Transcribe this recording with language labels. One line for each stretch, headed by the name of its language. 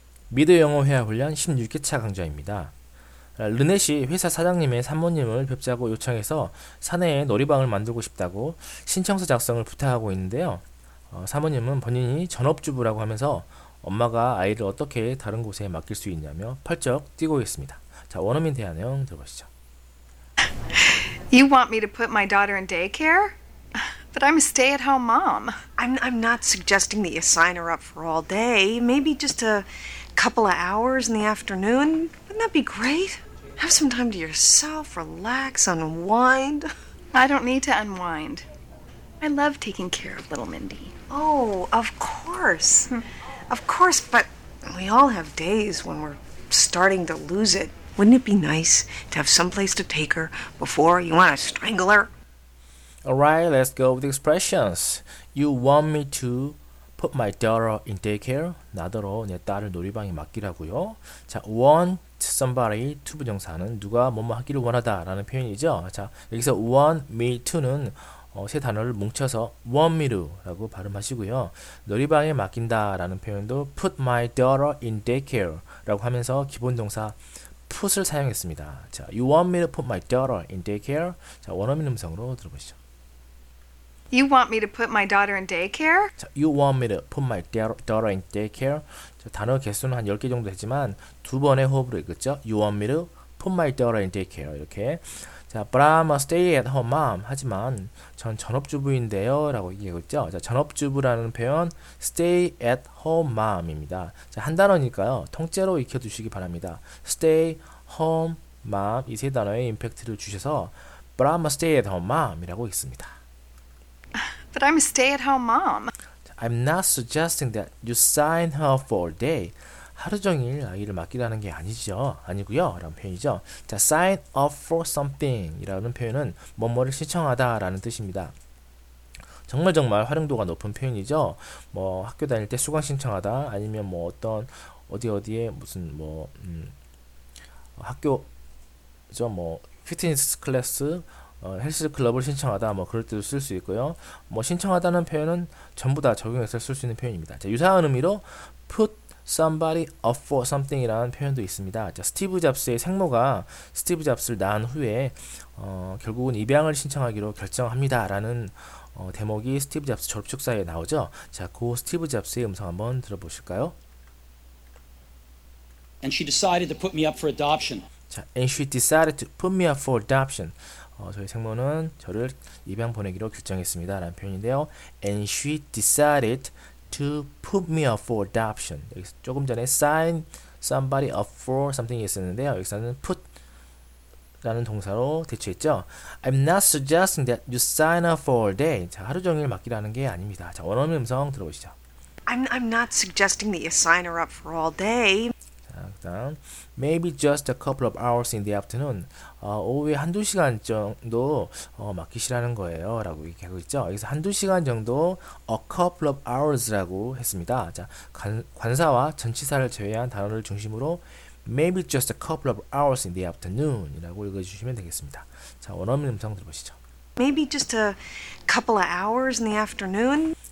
Korean: 미드 영어 회화 훈련 16개 차 강좌입니다. 르넷이 회사 사장님의 사모님을 뵙자고 요청해서 사내에 놀이방을 만들고 싶다고 신청서 작성을 부탁하고 있는데요. 사모님은 본인이 전업주부라고 하면서 엄마가 아이를 어떻게 다른 곳에 맡길 수 있냐며 펄쩍 뛰고 있습니다. 자, 원어민 대화 내용 들어보시죠.
English: You want me to put my daughter in daycare? But I'm a stay-at-home mom. I'm not suggesting that you sign her up for all day. Maybe just a couple of hours in the afternoon. Wouldn't that be great? Have some time to yourself, relax, unwind. I don't need to unwind. I love taking care of little Mindy. Oh, of course. Of course, but we all have days when we're starting to lose it. Wouldn't it be nice to have some place to take her before you want to strangle her? Alright, let's go with the expressions. You want me to put my daughter in daycare?
Korean: 나더러 내 딸을 놀이방에 맡기라고요? 자,
English: want somebody to
Korean: 부정사는 누가 뭐뭐 하기를 원하다 라는 표현이죠. 자, 여기서
English: want me to
Korean: 는 세 단어를 뭉쳐서 want me to 라고 발음하시고요. 놀이방에 맡긴다 라는 표현도
English: put my daughter in daycare
Korean: 라고 하면서 기본 동사 put을 사용했습니다.
English: 자, you want me to put my daughter in daycare?
Korean: 자, 원어민 음성으로 들어보시죠.
English: You want me to put my daughter in daycare? 자, you want me to put my daughter in daycare?
Korean: 자, 단어 개수는 한 10개 정도 되지만 두 번의 호흡으로 읽었죠?
English: You want me to put my daughter in daycare?
Korean: 이렇게.
English: 자, but I'm a stay at home mom.
Korean: 하지만 전 전업주부인데요. 라고 얘기했죠. 자, 전업주부라는 표현
English: stay at home mom
Korean: 입니다. 자, 한 단어니까요. 통째로 익혀두시기 바랍니다. stay, home, mom 이 세 단어의 임팩트를 주셔서
English: but I'm a stay at home mom
Korean: 이라고 읽습니다.
English: But I'm a stay-at-home mom. I'm not suggesting that you sign her for all day.
Korean: 하루 종일 아이를 맡기라는 게 아니죠. 아니고요. 라는 표현이죠. 자,
English: sign up for something
Korean: 이라는 표현은 뭐뭐를 신청하다 라는 뜻입니다. 정말 정말 활용도가 높은 표현이죠. 뭐 학교 다닐 때 수강 신청하다 아니면 뭐 어떤 어디 어디에 무슨 뭐 학교 저 뭐 피트니스 클래스 헬스 클럽을 신청하다 뭐 그럴 때도 쓸 수 있고요. 뭐 신청하다는 표현은 전부 다 적용해서 쓸 수 있는 표현입니다. 자, 유사한 의미로
English: put somebody up for something
Korean: 이라는 표현도 있습니다. 자, 스티브 잡스의 생모가 스티브 잡스를 낳은 후에 결국은 입양을 신청하기로 결정합니다 라는 대목이 스티브 잡스 졸업 축사에 나오죠. 자, 그 스티브 잡스의 음성 한번 들어보실까요?
English: And she decided to put me up for adoption. 자, and she decided to put me up for adoption.
Korean: 저희 생모는 저를 입양 보내기로 결정했습니다. 라는 표현인데요.
English: And she decided to put me up for adoption.
Korean: 여기서 조금 전에
English: sign somebody up for something
Korean: 이 있었는데요. 여기서는 put라는 동사로 대체했죠.
English: I'm not suggesting that you sign up for all day.
Korean: 자, 하루 종일 맡기라는 게 아닙니다. 자, 원어민 음성 들어보시죠.
English: I'm not suggesting that you sign her up for all day. 그다음 maybe just a couple of hours in the afternoon.
Korean: 오후에 한두 시간 정도 맡기시라는 거예요 라고 얘기하고 있죠. 여기서 한두 시간 정도
English: a couple of hours
Korean: 라고 했습니다. 자, 관사와 전치사를 제외한 단어를 중심으로
English: maybe just a couple of hours in the afternoon
Korean: 이라고 읽어주시면 되겠습니다. 자, 원어민 음성 들어보시죠.
English: maybe just a couple of hours in the afternoon.